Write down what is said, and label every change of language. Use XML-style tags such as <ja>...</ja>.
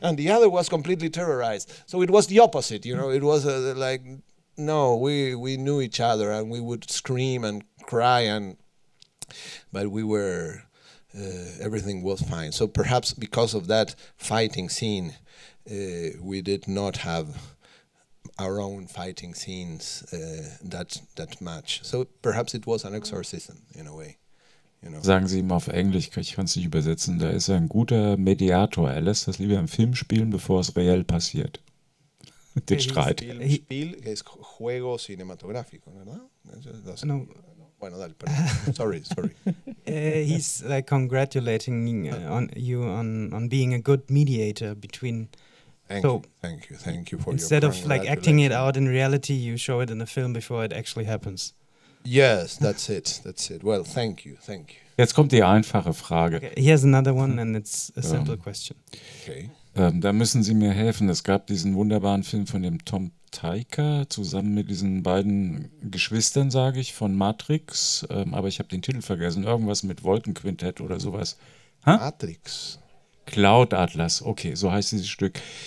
<en>And the other was completely terrorized, so it was the opposite, you know. It was no, we knew each other, and we would scream and cry, but we were everything was fine. So perhaps because of that fighting scene, we did not have our own fighting scenes that much. So perhaps it was an exorcism in a way. You know.</en> <de>Sagen Sie ihm auf Englisch, ich kann es nicht übersetzen. Da ist er ein guter Mediator. Er lässt das lieber im Film spielen, bevor es reell passiert. Den Streit.</de> <es>Spiel, que es juego cinematográfico, ¿verdad? No. Bueno, dale, perdón.</es> <en>Sorry. He's like congratulating you on being a good mediator between. Thank you for instead your instead of like acting it out in reality, you show it in the film before it actually happens. Yes, that's it. Well, thank you.</en> <de>Jetzt kommt die einfache Frage.</de> <en>Okay, he has another one, and it's a simple question. Okay.</en> <de>Da müssen Sie mir helfen. Es gab diesen wunderbaren Film von dem Tom Tyker zusammen mit diesen beiden Geschwistern, sage ich, von Matrix. Aber ich habe den Titel vergessen. Irgendwas mit Wolkenquintett oder sowas. Ha? Matrix. Cloud Atlas. Okay, so heißt dieses Stück.</de>